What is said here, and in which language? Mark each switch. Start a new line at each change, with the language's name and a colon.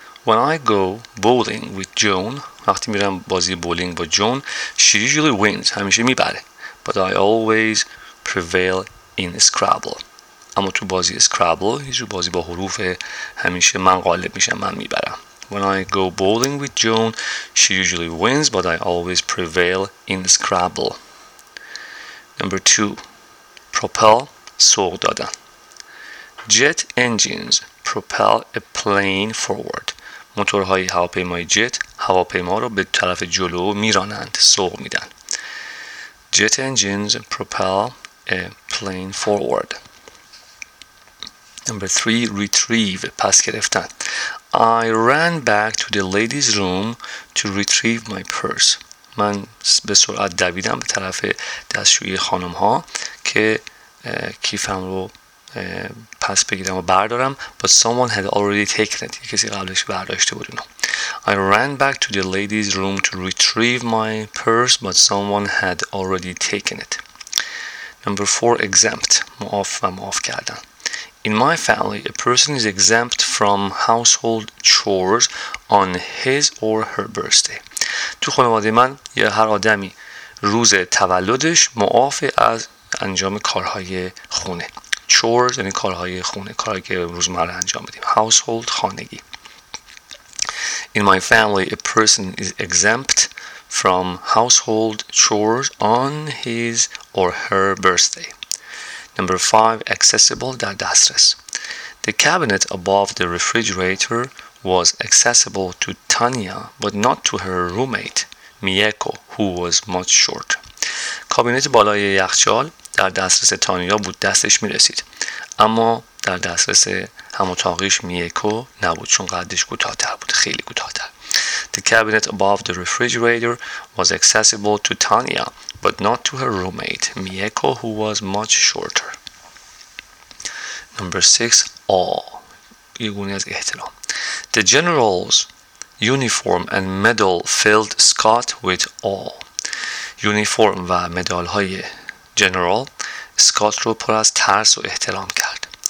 English: When I go bowling with Joan,
Persian: وقتی میرم بازی بولینگ با جون,
English: she usually wins,
Persian: همیشه میبره.
English: But I always prevail in Scrabble.
Persian: اما تو بازی Scrabble, هیچو بازی با حروف, همیشه من غالب میشم, من میبرم.
English: When I go bowling with Joan, she usually wins, but I always prevail in Scrabble. Number two, propel,
Persian: سوق دادن.
English: Jet engines propel a plane forward.
Persian: موتورهای هواپیمای جت هواپیما رو به طرف جلو میرانند, سوق میدن.
English: Jet engines propel a plane forward. Number three, retrieve,
Persian: پس گرفتن.
English: I ran back to the ladies' room to retrieve my purse.
Persian: من به سرعت دویدم به طرف دستشویی خانم ها که کیفم رو پس بگیرم و بردارم.
English: But someone had already taken it.
Persian: کسی قبلش برداشته بود اونو.
English: I ran back to the ladies' room to retrieve my purse, but someone had already taken it. Number four, exempt,
Persian: معاف و معاف کردن.
English: In my family, a person is exempt from household chores on his or her birthday.
Persian: تو خانواده من یا هر آدمی روز تولدش معاف از انجام کارهای خونه. Chores یعنی کارهای خونه, کارهایی که روزمره انجام میدیم.
English: Household,
Persian: خانگی.
English: In my family, a person is exempt from household chores on his or her birthday. Number five, accessible,
Persian: در دسترس.
English: The cabinet above the refrigerator was accessible to Tanya, but not to her roommate, Mieko, who was much short.
Persian: کابینت بالای یخچال در دسترس تانیا بود, دستش می رسید. اما در دسترس هموطاقیش میکو نبود, چون قدش کوتاه‌تر بود, خیلی کوتاه‌تر.
English: The cabinet above the refrigerator was accessible to Tanya, but not to her roommate, Mieko, who was much shorter. Number six, awe.
Persian: یه گونه از احترام.
English: The general's uniform and medal filled Scott with awe.
Persian: یونیفرم و مدال‌های جنرال اسکات رو پر از ترس و احترام کرد.